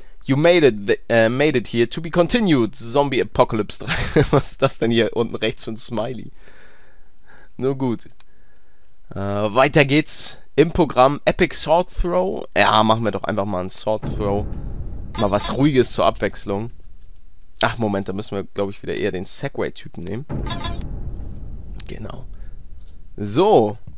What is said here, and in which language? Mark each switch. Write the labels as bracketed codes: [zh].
[en] You made it here to be continued. Zombie Apocalypse 3. [de] Was ist das denn hier unten rechts für ein Smiley? Nur gut. Weiter geht's im Programm. Epic Sword Throw. Ja, machen wir doch einfach mal einen Sword Throw. Mal was Ruhiges zur Abwechslung. Ach, Moment, da müssen wir, glaube ich, wieder eher den Segway-Typen nehmen. Genau. So.